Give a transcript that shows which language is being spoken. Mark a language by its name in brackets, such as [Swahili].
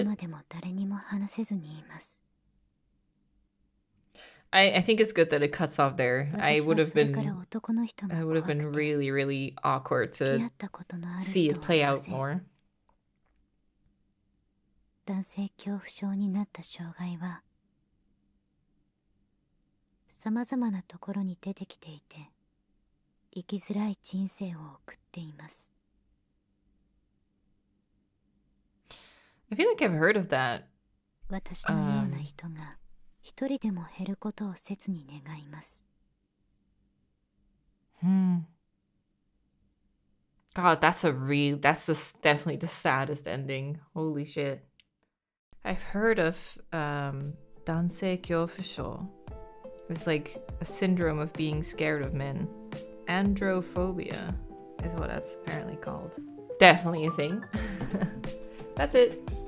[Japanese] 今でも誰にも話せずにいます。 [English] I think it's good that it cuts off there. I would have been really, really awkward to see it play out more. [Japanese] 男性恐怖症になった障害は様々なところに出てきていて生きづらい人生を送っています。 [English] I feel like I've heard of that. [Japanese] 私のような人が一人でも減ることを切に願います。 [English] God, that's a real, that's definitely the saddest ending. Holy shit. I've heard of Dansei Kyofusho. It's like a syndrome of being scared of men. Androphobia is what that's apparently called. Definitely a thing. That's it.